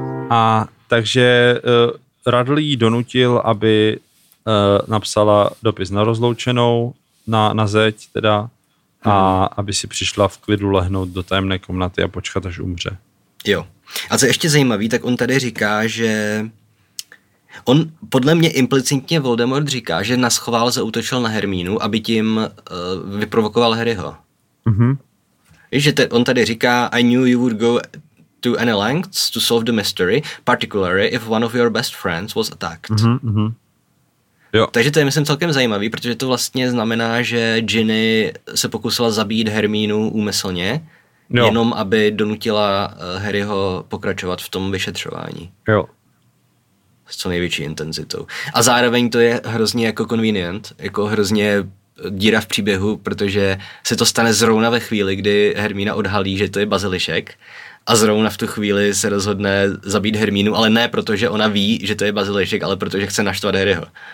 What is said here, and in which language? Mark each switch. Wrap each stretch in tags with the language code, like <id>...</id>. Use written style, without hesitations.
<cs>A takže Radley donutil, aby napsala dopis na rozloučenou, na zeď teda, a aby si přišla v klidu lehnout do tajemné komnaty a počkat, až umře. Jo. A co je ještě zajímavý, tak on tady říká, že on podle mě implicitně Voldemort říká, že naschvál zaútočil na Hermínu, aby tím vyprovokoval Harryho. Víš, že on tady říká,</cs> <en>I knew you would go to any lengths to solve the mystery, particularly if one of your best friends was attacked.</en> <cs>Jo. Takže to je, myslím, celkem zajímavý, protože to vlastně znamená, že Ginny se pokusila zabít Hermínu úmyslně. Jo. Jenom aby donutila Harryho pokračovat v tom vyšetřování. Jo. S co největší intenzitou. A zároveň to je hrozně jako convenient, jako hrozně díra v příběhu, protože se to stane zrovna ve chvíli, kdy Hermína odhalí, že to je bazilišek, a zrovna v tu chvíli se rozhodne zabít Hermínu, ale ne proto, že ona ví, že to je bazilišek, ale protože chce naštvat Harryho.</cs>